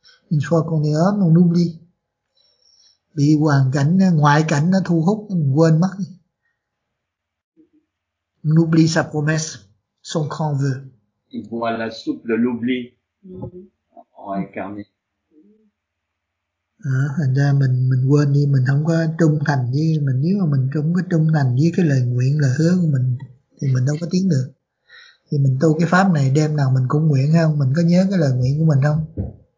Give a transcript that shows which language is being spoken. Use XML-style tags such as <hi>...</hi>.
<fr>Une fois qu'on est homme, on oublie.</fr> <vi>Bị hoàn cảnh, ngoại cảnh nó thu hút, mình quên mất.</vi> <fr>On oublie sa promesse, son grand vœu. Il boit la soupe de l'oubli en incarné.</fr> <vi>Thành ra mình quên đi, mình không có trung thành với mình. Nếu mà mình không có trung thành với cái lời nguyện, lời hứa của mình thì mình đâu có tiến được. Thì mình tu cái pháp này đêm nào mình cũng nguyện không? Mình có nhớ cái lời nguyện của mình không?</vi>